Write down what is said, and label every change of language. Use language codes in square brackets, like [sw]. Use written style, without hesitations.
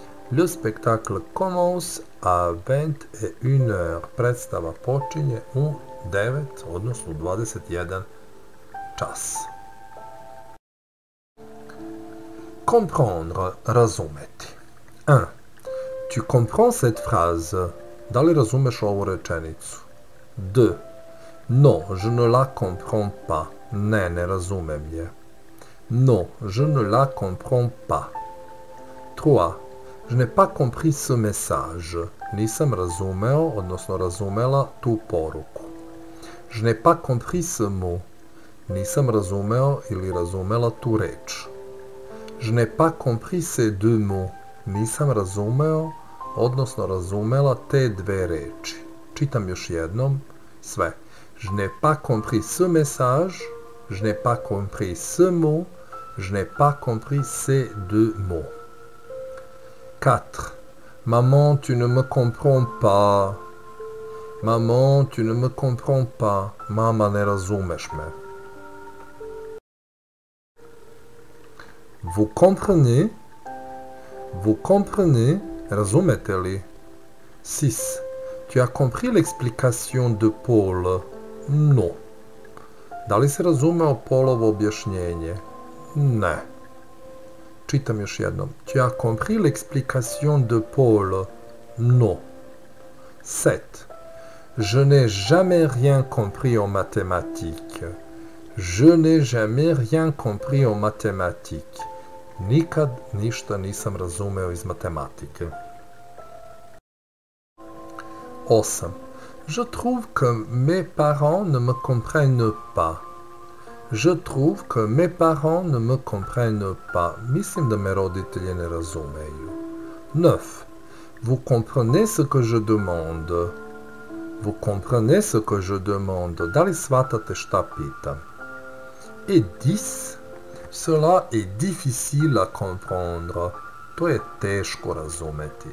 [fr] Le spectacle commence à 21h. [sr] Predstava počinje u 9, odnosno 21 čas. [fr] Comprendre, razumeti. 1. Tu comprends cette phrase? [sr] Da li razumeš ovu rečenicu? [fr] 2. Non, je ne la comprends pas. [sr] Ne, ne razumem je. [fr] Non, je ne la comprends pas. 3. Je n'ai pas compris ce message. [sr] Nisam razumeo, odnosno razumela tu poruku. [fr] Je n'ai pas compris ce mot. [sr] Nisam razumeo ili razumela tu reč. [fr] Je n'ai pas compris ces deux mots. [sr] Nisam razumeo, odnosno razumela te dve reči. Čitam još jednom sve. [fr] Je n'ai pas compris ce message. Je n'ai pas compris ce mot. Je n'ai pas compris ces deux mots. 4. Maman, tu ne me comprends pas. Maman, tu ne me comprends pas. [sr] Mama, ne razumeš me. [fr] Vous comprenez? Vous comprenez? [sr] Razumete-li? [fr] 6. Tu as compris l'explication de Paul? Non. [sr] Da li se razumeo Paulovo objašnjenje? Ne. Čitam još jednom. [fr] Tu as compris l'explication de Paul? Non. 7. Je n'ai jamais rien compris en mathématiques. Je n'ai jamais rien compris en mathématiques. [sr] Nikad ništa nisam razumeo iz matematike. [fr] 8. Je trouve que mes parents ne me comprennent pas. Je trouve que mes parents ne me comprennent pas. [sr] Mislim da me roditelji ne razumeju. [fr] 9. Vous comprenez ce que je demande? Vous comprenez ce que je demande? [sr] Da li shvatate šta pitam? [fr] Et 10. Cela est difficile à comprendre. [sr] To je teško razumeti.